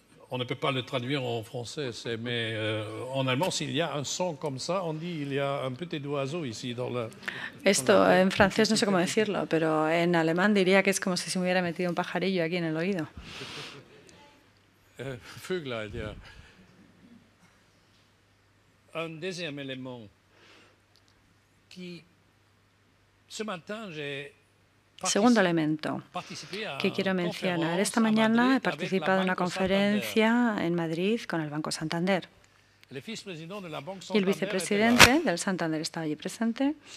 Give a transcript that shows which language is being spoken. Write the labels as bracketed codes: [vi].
[fr] On ne peut pas le traduire en français, mais en allemand, s'il y a un son comme ça, on dit qu'il y a un petit oiseau ici dans la... [es] Esto en francés no sé cómo decirlo, pero en alemán diría que es como si se me hubiera metido un pajarillo aquí en el oído. [de] Vöglein, ja. [fr] Un deuxième élément qui... Ce matin, j'ai... [es] Segundo elemento que quiero mencionar. Esta mañana he participado en una conferencia en Madrid con el Banco Santander. Y el vicepresidente del Santander estaba allí presente.